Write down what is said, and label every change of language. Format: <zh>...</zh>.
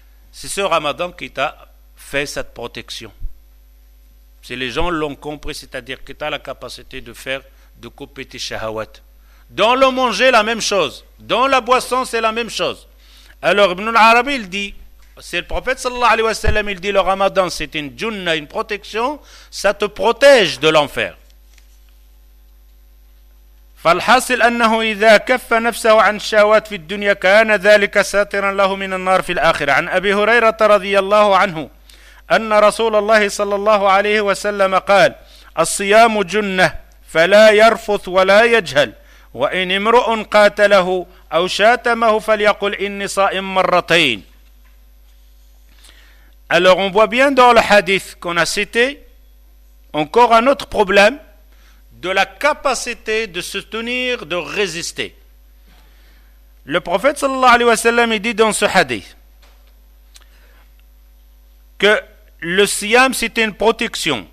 <fr>C'est ce ramadan qui t'a fait cette protection. Si les gens l'ont compris, c'est-à-dire que tu as la capacité de couper tes shahawat. Dans le manger, la même chose. Dans la boisson, c'est la même chose. Alors Ibn al-Arabi, il dit, c'est le prophète</fr> <ar>sallallahu alayhi wa sallam,</ar> <fr>il dit le ramadan, c'est une junna, une protection, ça te protège de l'enfer.</fr> <ar>فالحاصل أنه إذا كف نفسه عن شهوات في الدنيا كان ذلك ساترا له من النار في الآخرة عن أبي هريرة رضي الله عنه أن رسول الله صلى الله عليه وسلم قال الصيام جنة فلا يرفث ولا يجهل وإن امرؤ قاتله أو شاتمه فليقل إني صائم مرتين.</ar> <fr>Alors on voit bien dans le hadith qu'on a cité encore un autre problème de la capacité de se tenir, de résister. Le prophète</fr> <ar>sallallahu alayhi wa sallam</ar> <fr>dit dans ce hadith que le siyam c'est une protection.</fr>